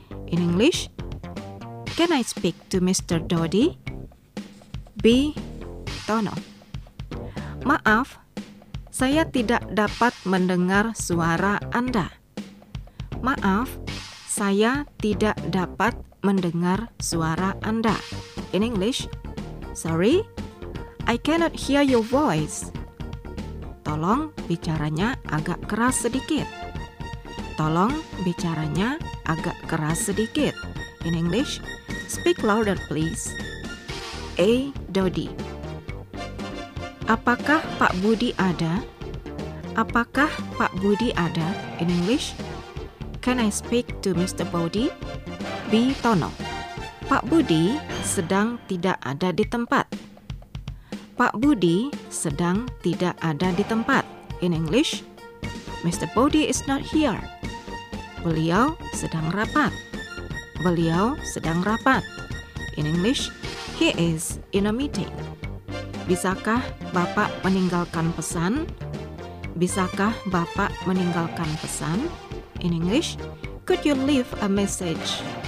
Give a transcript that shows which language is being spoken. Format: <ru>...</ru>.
<en>In English? Can I speak to Mr. Dodi? B. Tono.</en> <id>Maaf, saya tidak dapat mendengar suara Anda. Maaf, saya tidak dapat mendengar suara Anda.</id> <en>In English? Sorry, I cannot hear your voice.</en> <id>Tolong bicaranya agak keras sedikit. Tolong bicaranya agak keras sedikit. In English?</id> <en>Speak louder, please. A. Dodi.</en> <id>Apakah Pak Budi ada? Apakah Pak Budi ada? In English?</id> <en>Can I speak to Mr. Budi? B. Tono.</en> <id>Pak Budi sedang tidak ada di tempat. Pak Budi sedang tidak ada di tempat.</id> <en>In English? Mr. Budi is not here. Beliau sedang rapat.</en> <id>Beliau sedang rapat.</id> <en>In English, he is in a meeting.</en> <id>Bisakah Bapak meninggalkan pesan? Bisakah Bapak meninggalkan pesan?</id> <en>In English, could you leave a message?</en>